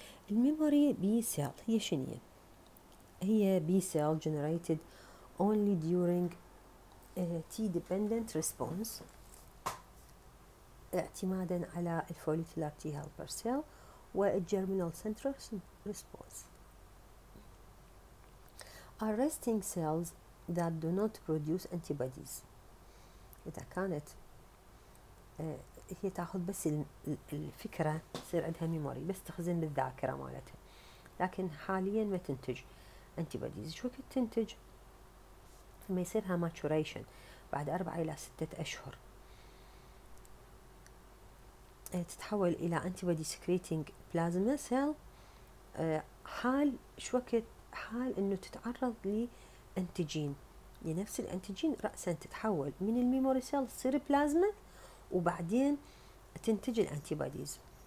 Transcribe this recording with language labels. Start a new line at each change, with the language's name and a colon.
Arabic: الميموري
English: B cell هي شنية؟ هي B cell generated only during T dependent response
Arabic: اعتمادا على الفوليكولار تي هيلبر سيل والجيرمينال سنترال ريسبونس.
English: Are resting cells that do not produce antibodies.
Arabic: إذا كانت هي تأخذ بس الفكرة تصير عندها ميموري بس تخزن بالذاكرة مالتها، لكن حاليا ما تنتج antibodies. شو كنت تنتج؟ ما يصيرها maturation بعد 4 إلى 6 أشهر تتحول إلى
English: antibody secreting plasma cell
Arabic: حال شو وقت حال انه تتعرض لانتيجين لنفس الانتيجين رأسا تتحول من الميموري سيل تصير بلازما وبعدين تنتج الانتيباديز.